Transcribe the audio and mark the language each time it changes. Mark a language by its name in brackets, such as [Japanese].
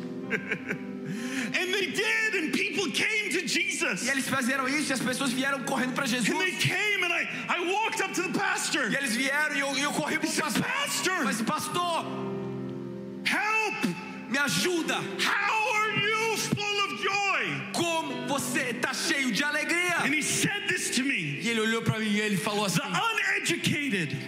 [English] And they did, and people came to Jesus. [Portuguese] E eles fizeram isso, e as pessoas vieram correndo para Jesus. [English] And they came, and I walked up to the pastor. [Portuguese] E eles vieram, e eu corri para o pastor. [English] Pastor, [Portuguese] mas pastor, [English] help, [Portuguese] me ajuda. [English] How are you full of joy? [Portuguese] Como você está cheio de alegria? [English] And he said this to me. [Portuguese] E ele olhou para mim e ele falou assim. [English] The uneducated,